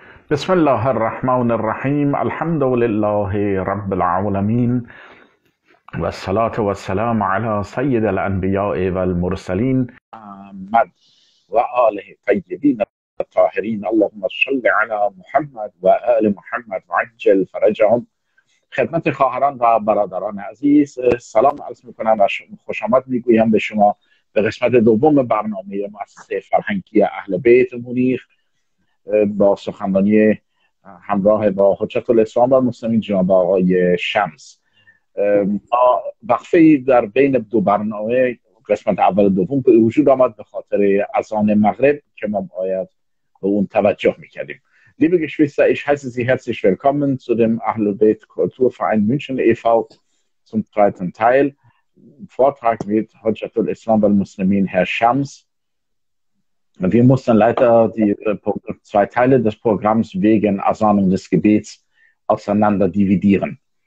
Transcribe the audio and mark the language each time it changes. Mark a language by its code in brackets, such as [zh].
[ar] بسم الله الرحمن الرحيم، الحمد لله رب العالمين، والصلاة والسلام على سيد الأنبياء والمرسلين محمد وآله الطيبين الطاهرين. اللهم صل على محمد وآل محمد وعجل فرجهم. [fa] خدمت خواهران و برادران عزیز سلام عرض میکنم و خوش آمد میگویم به شما به قسمت دوم برنامه مؤسسه فرهنگی اهل بیت مونیخ با سخنرانی همراه با حجت الاسلام و مسلمین جناب آقای شمس. وقفه در بین دو برنامه قسمت اول دوم به وجود آمد به خاطر اذان مغرب که ما باید به اون توجه میکردیم. [de] Liebe Geschwister, ich heiße Sie herzlich willkommen zu dem Ahlulbeit Kulturverein München e.V. zum zweiten Teil. Vortrag mit Hojjatul Islam wal Muslimin, Herr Shams. Wir mussten leider die zwei Teile des Programms wegen Ersahnung des Gebets auseinander dividieren.